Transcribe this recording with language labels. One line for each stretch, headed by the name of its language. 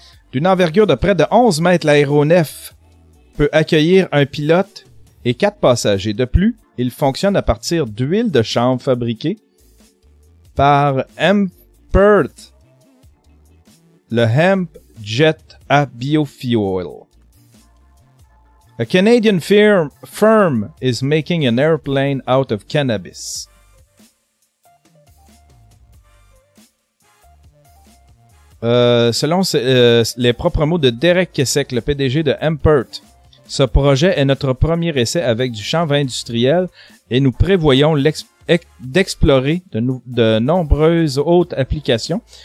French: D'une envergure de près de 11 mètres, l'aéronef peut accueillir un pilote et 4 passagers. De plus, il fonctionne à partir d'huile de chanvre fabriquée par Hempert, le Hemp Jet à Biofuel.
English: A Canadian firm is making an airplane out of cannabis.
French: Selon les propres mots de Derek Kessek, le PDG de Hempert, ce projet est notre premier essai avec du chanvre industriel et nous prévoyons d'explorer de nombreuses autres applications.